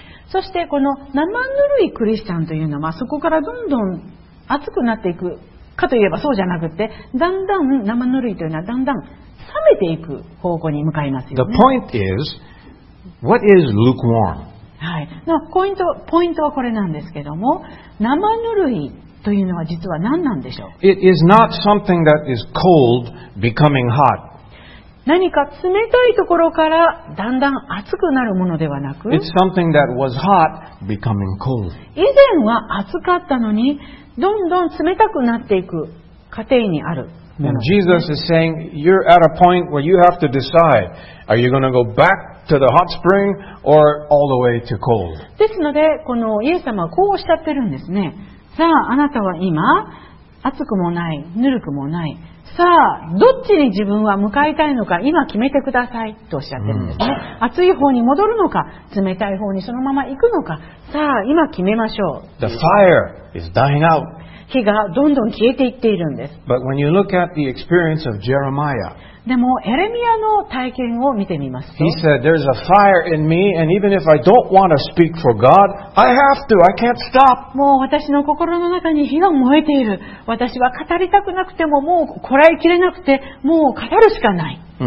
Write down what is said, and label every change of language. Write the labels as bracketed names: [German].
[Japanese] そしてこの生ぬるいクリスチャンというのは、そこからどんどん熱くなっていくかといえばそうじゃなくて、だんだん生ぬるいというのはだんだん冷めていく方向に向かいますよね。 [English] The point is, what is lukewarm? [Japanese] はい。ポイントはこれなんですけども、生ぬるいというのは実は何なんでしょう。 [English] It is not something that is cold becoming hot. [Japanese] 何か冷たいところからだんだん熱くなるものではなく、 [English] It's something that was hot becoming cold. [Japanese] 以前は熱かったのにどんどん冷たくなっていく過程にあるもの。 [English] Jesus is saying you're at a point where you have to decide, are you going to go back to the hot spring or all the way to cold? [Japanese] ですのでこのイエス様はこうおっしゃってるんですね。さああなたは今熱くもないぬるくもない、さあどっちに自分は向かいたいのか今決めてくださいとおっしゃってるんですね。熱い方に戻るのか冷たい方にそのまま行くのか、さあ今決めましょう。 [English] The fire is dying out. [Japanese] 火がどんどん消えていっているんです。 [English] But when you look at the experience of Jeremiah, [Japanese] でもエレミアの体験を見てみますと、 [English] He said there's a fire in me and even if I don't want to speak for God, I have to, I can't stop. [Japanese] もう私の心の中に火が燃えている、私は語りたくなくてももうこらえきれなくてもう語るしかない。